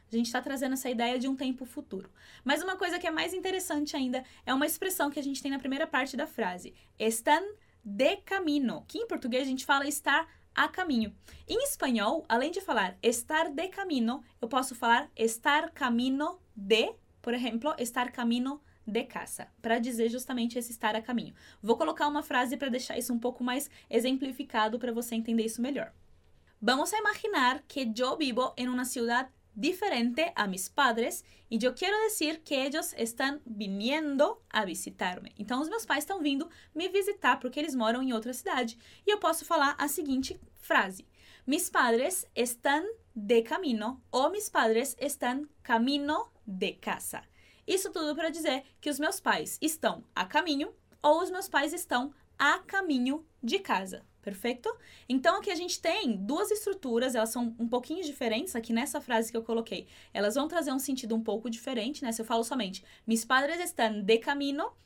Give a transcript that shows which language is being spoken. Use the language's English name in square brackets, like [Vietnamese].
[Portuguese] A gente está trazendo essa ideia de um tempo futuro. Mas uma coisa que é mais interessante ainda é uma expressão que a gente tem na primeira parte da frase: [Spanish] están de camino, [Portuguese] que em português a gente fala estar a caminho. Em espanhol, além de falar estar de camino, eu posso falar estar camino de, por exemplo, estar camino de casa, para dizer justamente esse estar a caminho. Vou colocar uma frase para deixar isso um pouco mais exemplificado para você entender isso melhor. [Spanish] Vamos a imaginar que yo vivo en una ciudad diferente a mis padres y yo quiero decir que ellos están viniendo a visitarme. [Portuguese] Então, os meus pais estão vindo me visitar porque eles moram em outra cidade. E eu posso falar a seguinte frase: [Spanish] mis padres están de camino, [Portuguese] ou [Spanish] mis padres están camino de casa. [Portuguese] Isso tudo para dizer que os meus pais estão a caminho ou os meus pais estão a caminho de casa. Perfeito? Então, aqui a gente tem duas estruturas, elas são um pouquinho diferentes aqui nessa frase que eu coloquei. Elas vão trazer um sentido um pouco diferente, né? Se eu falo somente, [Spanish] mis padres están de camino,